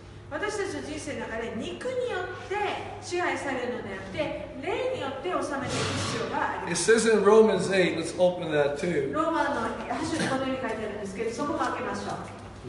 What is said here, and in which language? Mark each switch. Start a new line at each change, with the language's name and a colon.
Japanese: 私たちの人生の中で肉によって支配されるのではなくて霊によって治めていく必要があります。
English: It says in Romans 8, let's open that too.
Japanese: ローマの8章にこのように書いてあるんですけど、そこも開けましょう。